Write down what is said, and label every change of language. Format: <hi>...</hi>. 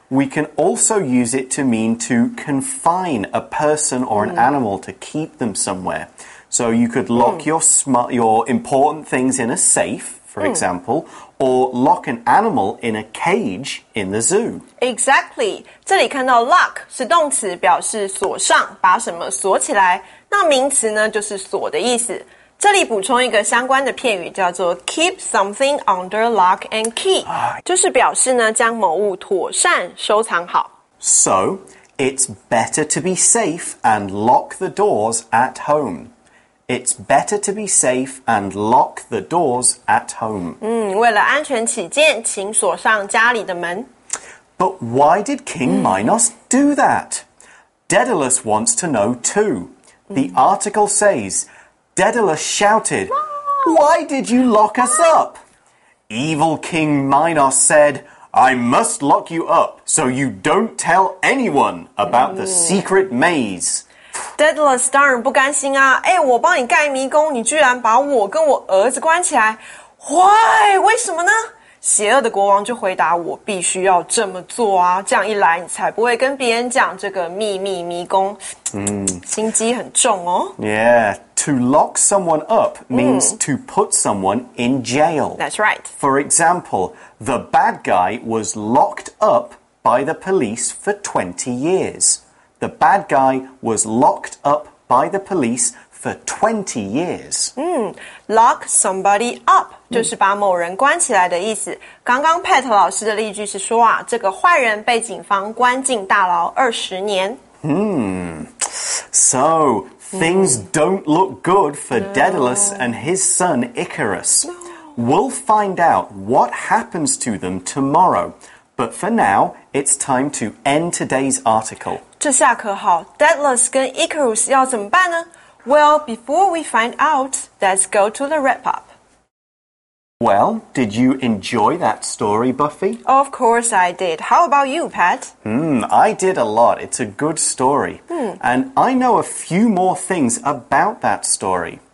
<en>We can also use it to mean to confine a person or an animal to keep them somewhere. So you could lock your important things in a safe, for example, or lock an animal in a cage in the zoo. Exactly.</en> <zh>这里看到 lock 是动词表示锁上把什么锁起来。那名词呢就是锁的意思。这里补充一个相关的片语叫做</zh> <en>keep something under lock and key,</en> <zh>就是表示呢将某物妥善收藏好。</zh> <en>So, It's better to be safe and lock the doors at home. It's better to be safe and lock the doors at home.</en> <zh>为了安全起见，请锁上家里的门。</zh> <en>But why did King Minos do that? Daedalus wants to know too. The article says, Daedalus shouted, Why did you lock us up? Evil King Minos said, I must lock you up so you don't tell anyone about the secret maze.</en> <zh>Daedalus 当然不甘心啊，哎，我帮你盖迷宫，你居然把我跟我儿子关起来 ，</zh> <en>Why？</en> <zh>为什么呢？邪恶的国王就回答，我必须要这么做啊，这样一来你才不会跟别人讲这个秘密迷宫。心机很重哦。</zh> <en>Yeah, to lock someone up means to put someone in jail. That's right. For example, the bad guy was locked up by the police for 20 years. The bad guy was locked up by the police for 20 years. Lock somebody up.</en> <zh>就是把某人关起来的意思。刚刚 Pat 老师的例句是说啊，这个坏人被警方关进大牢20年。</zh> <en>So, things don't look good for Daedalus and his son Icarus. We'll find out what happens to them tomorrow. But for now, it's time to end today's article.</en> <zh>这下可好， Daedalus 跟 Icarus 要怎么办呢？</zh> <en>Well, before we find out, let's go to the wrap-up. Well, did you enjoy that story, Buffy? Of course I did. How about you, Pat? I did a lot. It's a good story. And I know a few more things about that story.</en>